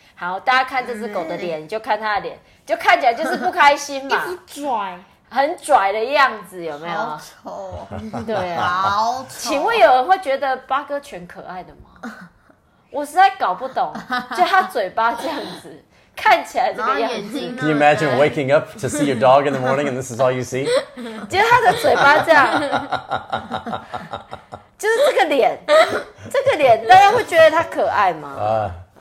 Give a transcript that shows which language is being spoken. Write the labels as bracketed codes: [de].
[zh] 好，大家看这只狗的脸，你就看它的脸，就看起来就是不开心嘛，一直拽，很拽的样子，有没有？好丑，对啊，好丑。请问有人会觉得八哥犬可爱的吗？我实在搞不懂，就他嘴巴这样子，看起来这个样子。 [en] Can you imagine waking up to see your dog in the morning and this is all you see? [zh] 就他的嘴巴这样，就是这个脸，这个脸，大家会觉得他可爱吗？